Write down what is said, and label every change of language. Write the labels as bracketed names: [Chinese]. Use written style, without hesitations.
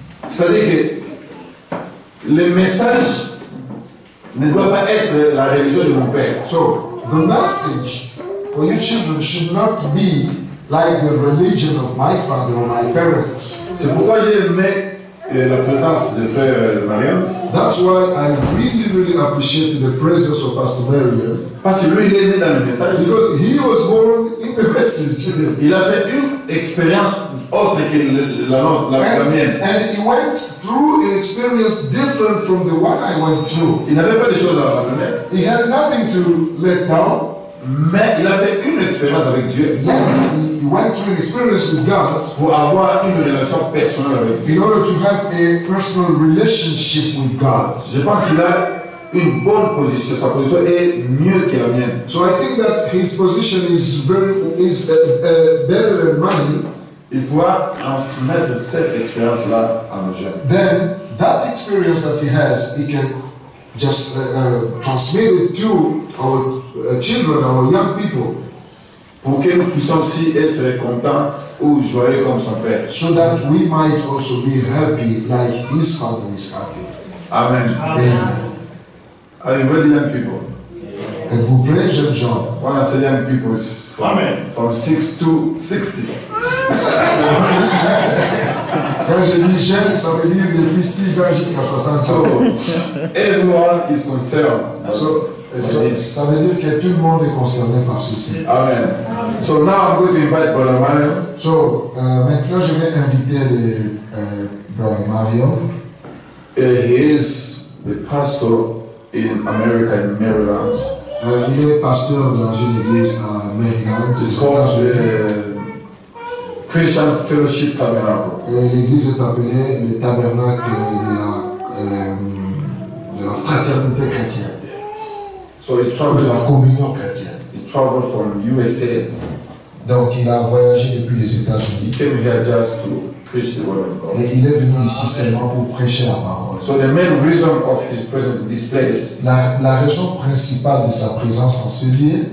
[French] C'est-à-dire que le message ne doit pas être la religion de mon père. [English] So, the message for your children should not be like the religion of my father or my parents. [French] C'est pourquoi j'ai aimé la présence de frère Marion. [English] That's why I really, really appreciate the presence of Pastor Marion. [French] Parce que lui, il est né dans le message. [English] Because he was born in the message. [French] Il a fait une expérience autre que la mienne. [English] And he went through an experience different from the one I went through. [French] Il n'avait pas de choses à abandonner. [English] He had nothing to let down. [French] Mais il a fait une expérience avec Dieu. [English] Yet he went through an experience with God. [French] Pour avoir une relation personnelle avec Dieu. [English] In order to have a personal relationship with God. [French] Je pense qu'il a une bonne position, sa position est mieux que la mienne. [English] So I think that his position is better than mine. [French] Il pourra transmettre cette expérience-là à nos jeunes. [English] Then that experience that he has, he can just transmit it to our children, our young people, [French] pour que nous puissions aussi être contents ou joyeux comme son père. [English] So that we might also be happy like his father is happy. Amen. Amen. Amen. Are you ready, young people? Yeah. And who pray, young John? One of the young people is from 6 to 60. [French] Quand je dis jeune, ça veut dire depuis 6 ans jusqu'à 60 ans. [English] Everyone is concerned. [French] Ça veut dire que tout le monde est concerné par ceci. Amen. [English] So now I'm going to invite Brother Mario. [French] So, maintenant je vais inviter le Brother Mario. [English] He is the pastor in America, in Maryland. [French] Il est pasteur dans une église à Maryland. [English] It's called the Christian Fellowship Tabernacle. [French] Et l'église est appelée le tabernacle de la fraternité chrétienne. [English] So he traveled. [French] La communion chrétienne. [English] He traveled from USA. [French] Donc il a voyagé depuis les États-Unis. [English] He came here just to preach the word of God. [French] Et il est venu ici seulement pour prêcher la parole. [English] So the main reason of his presence in this place. [French] La raison principale de sa présence en ce lieu